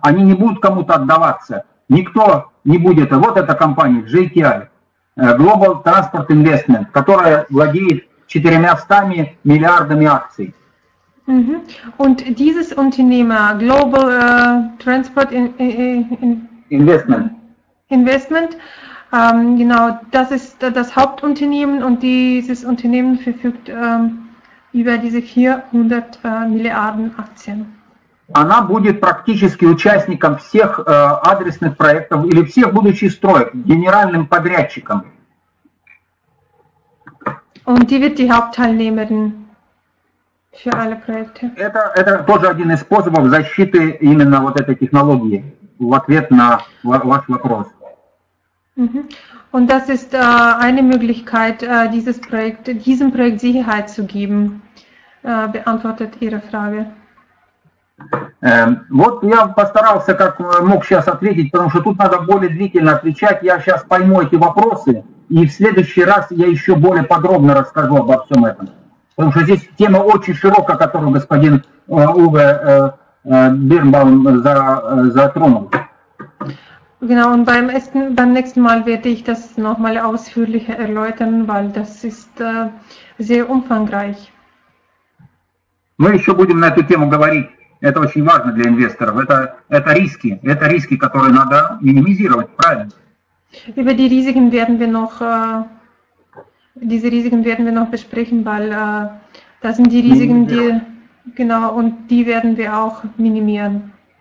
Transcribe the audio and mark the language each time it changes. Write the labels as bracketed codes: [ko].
[ru] Они не будут кому-то отдаваться. Никто не будет. Вот эта компания GTI, Global Transport Investment, которая владеет 400 миллиардами акций. [de] Und dieses Unternehmen, Global Transport Investment. Investment, genau, das ist das Hauptunternehmen und dieses Unternehmen verfügt über diese 400 Milliarden Aktien. [ru] Она будет практически участником всех адресных проектов или всех будущих строек, генеральным подрядчиком. [de] Und die wird die Hauptteilnehmerin für alle Projekte. [ru] Это тоже один из способов защиты именно вот этой технологии в ответ на ваш вопрос. [de] Und das ist eine Möglichkeit, diesem Projekt Sicherheit zu geben, beantwortet Ihre Frage. [ru] Вот я постарался, как мог сейчас ответить, потому что тут надо более длительно отвечать. Я сейчас пойму эти вопросы. И в следующий раз я еще более подробно расскажу обо всем этом. Потому что здесь тема очень широкая, которую господин Уве Бирнбаум затронул. [de] Genau, und beim nächsten Mal werde ich das nochmal ausführlicher erläutern, weil das ist sehr umfangreich. [ru] Мы еще будем на эту тему говорить. Это очень важно для инвесторов. Это риски. Это риски, которые надо минимизировать, правильно? [de] Über die Risiken werden wir noch diese Risiken werden wir noch besprechen, weil das sind die Risiken, die genau und die werden wir auch minimieren.